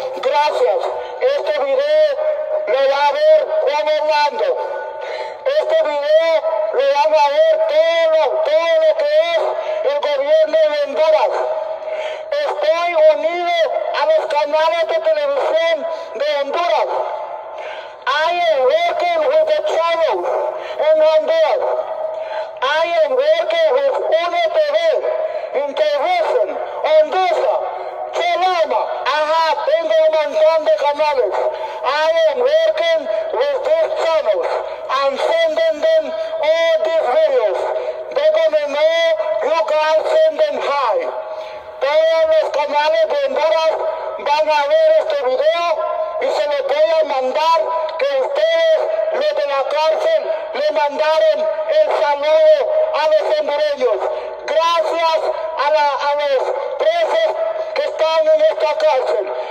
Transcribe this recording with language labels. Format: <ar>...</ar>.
<es>Gracias. Este video lo va a ver Juan Orlando. Este video lo van a ver todo lo que es el gobierno de Honduras. Estoy unido a los canales de televisión de Honduras.</es> <en>I am working with the channels in Honduras. I am working with UNETV, Intervision, Hondusa, Chiloma.</en> <es>Tengo un montón de canales.</es> <en>I am working with these channels. I'm sending them all these videos. They're going to know you guys sending high.</en> <es>todos los canales de Honduras van a ver este video y se les voy a mandar que ustedes, los de la cárcel, le mandaron el saludo a los hondureños. Gracias a los presos que están en esta cárcel.</es>